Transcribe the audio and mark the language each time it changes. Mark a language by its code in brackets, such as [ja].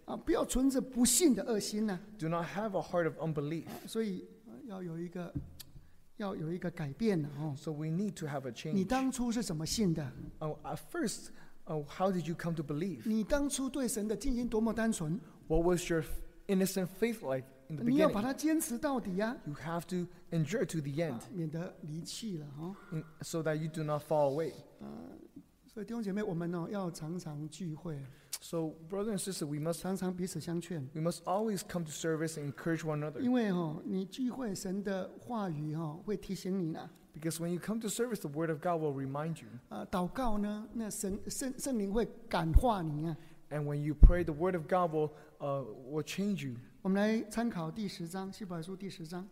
[zh] 不要存着不信的恶心呢、啊。 [en] Do not have a heart of unbelief. [zh] 所以要有一个改变呢、哦、 [en] So we need to have a change. [zh] 你当初是怎么信的 [en] ？At first. How did you come to believe? [zh] 你当初对神的信心多么单纯 [en] ？What was your innocent faith like in the beginning? [zh] 你要把它坚持到底呀、啊。 [en] You have to endure to the end. [zh] 免得离弃了、哦、 [en] So that you do not fall away. [zh] 所以弟兄姐妹，我们、哦、要常常聚会。 [en] So brother and sister, we must [zh] 常常彼此相劝。 [en] We must always come to service and encourage one another. [zh] 因为、哦、你聚会，神的话语、哦、会提醒你呢。 [en] Because when you come to service, the word of God will remind you. [zh] 祷告呢，那圣灵会感化你啊。 [en] And when you pray, the word of God will change you. [zh] 我们来参考第十章，希伯来书第十章。